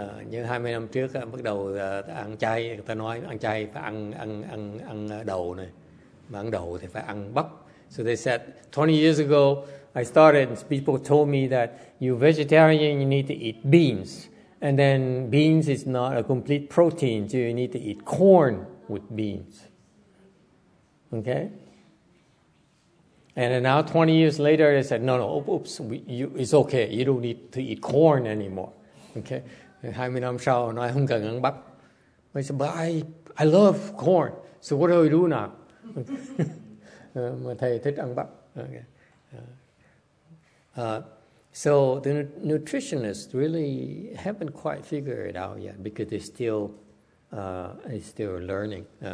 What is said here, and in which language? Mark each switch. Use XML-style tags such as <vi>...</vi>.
<vi>Như 20 năm trước bắt đầu ăn chay, người ta nói ăn chay phải ăn đậu này. Mà ăn đậu thì phải ăn bắp.</vi> <en>So they said, 20 years ago, I started, and people told me that you vegetarian, you need to eat beans. And then beans is not a complete protein, so you need to eat corn with beans. Okay? And then now 20 years later, they said, no, it's okay, you don't need to eat corn anymore. Okay?</en> <vi>20 năm sau, nói không cần ăn bắp.</vi> <en>I said, but I love corn, so what do I do now?</en> <vi>Mà thầy thích ăn bắp. Okay.</vi> <en>So the nutritionists really haven't quite figured it out yet because they're still learning.</en>